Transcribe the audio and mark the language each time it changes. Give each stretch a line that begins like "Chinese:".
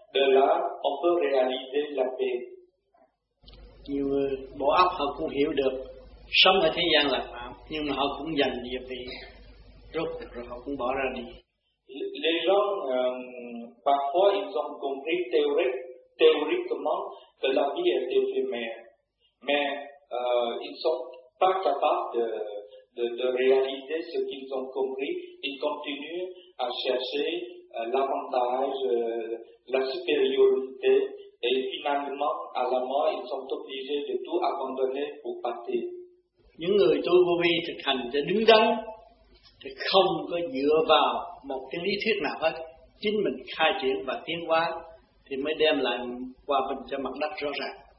French: De là, on peut réaliser la paix.
Vietnamese: Nhiều người bỏ óc họ cũng hiểu được sống ở thế gian là phạm, nhưng mà họ cũng dành địa vị rốt cuộc rồi họ cũng bỏ ra đi.
French: Les gens parfois ils ont compris théoriquement que la vie est éphémère, mais ils ne sont pas capables de réaliser ce qu'ils ont compris. Ils continuent à chercher l'avantage, la supériorité. Et finalement, à la mort, ils sont obligés de tout abandonner pour partir.
Vietnamese: Những người tu vô vi thực hành để đứng đắn, thì không có dựa vào một cái lý thuyết nào hết. Chính mình khai triển và tiến hóa thì mới đem lại hòa bình cho mặt đất rõ ràng.